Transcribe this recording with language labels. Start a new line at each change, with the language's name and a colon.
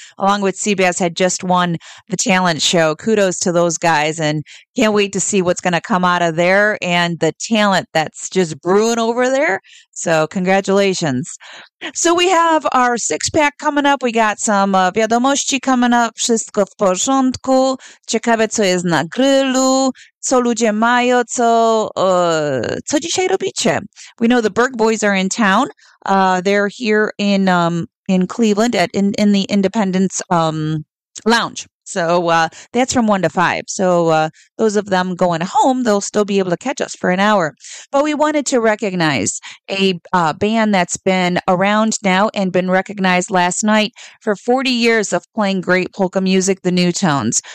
English: Along with Seabass had just won the talent show. Kudos to those guys. And can't wait to see what's going to come out of there and the talent that's just brewing over there. So congratulations. So we have our six pack coming up. We got some wiadomości coming up.
Polish: Wszystko w porządku. Ciekawe, co jest na grillu. Co ludzie mają, co dzisiaj robicie?
English: We know the Berg boys are in town. They're here in Cleveland at in the Independence Lounge. So that's from 1 to 5. So those of them going home, they'll still be able to catch us for an hour. But we wanted to recognize a band that's been around now and been recognized last night for 40 years of playing great polka music, the Newtones.